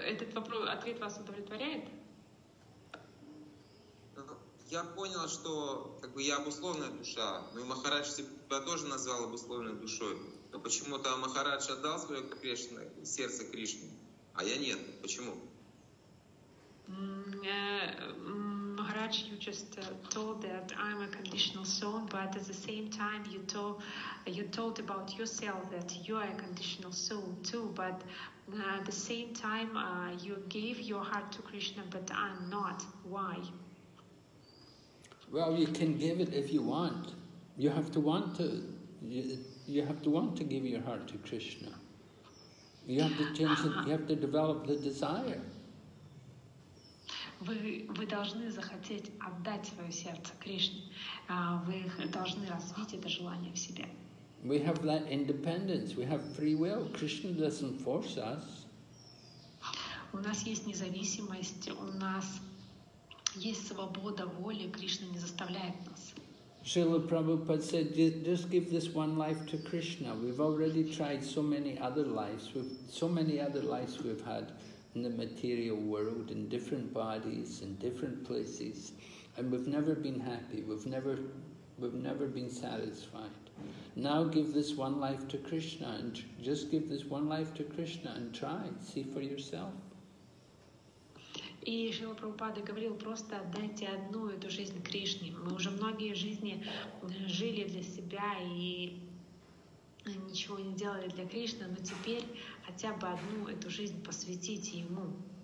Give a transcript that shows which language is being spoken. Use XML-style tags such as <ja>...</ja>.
<ru>Этот вопрос, ответ вас удовлетворяет? Я понял, что как бы я обусловленная душа, ну и Махарадж себя тоже назвал обусловленной душой, но почему-то Махарадж отдал свое Кришне, сердце Кришне, а я нет. Почему?</ru> <en>Maharaj, you just told that I'm a conditional soul, but at the same time you told about yourself that you are a conditional soul too, but at the same time you gave your heart to Krishna, but I'm not. Why? Well, you can give it if you want. You have to want to. You have to want to give your heart to Krishna. You have to change it. You have to develop the desire.</en> <ru>Вы должны захотеть отдать свое сердце Кришне. Вы должны развить это желание в себе.</ru> <en>We have that independence. We have free will. Krishna doesn't force us.</en> <ru>У нас есть независимость. У нас есть свобода воли. Кришна не заставляет нас.</ru> <en>Srila Prabhupada said, just give this one life to Krishna. We've already tried so many other lives. We've had. In the material world, in different bodies, in different places, and we've never been happy. We've never been satisfied. Now give this one life to Krishna, and just give this one life to Krishna, and try, see for yourself.</en> <ru>И Шрила Прабхупада говорил, просто отдайте одну эту жизнь Кришне. Мы уже многие жизни жили для себя и ничего не делали для Кришны, но теперь хотя бы одну эту жизнь посвятите Ему.</ru>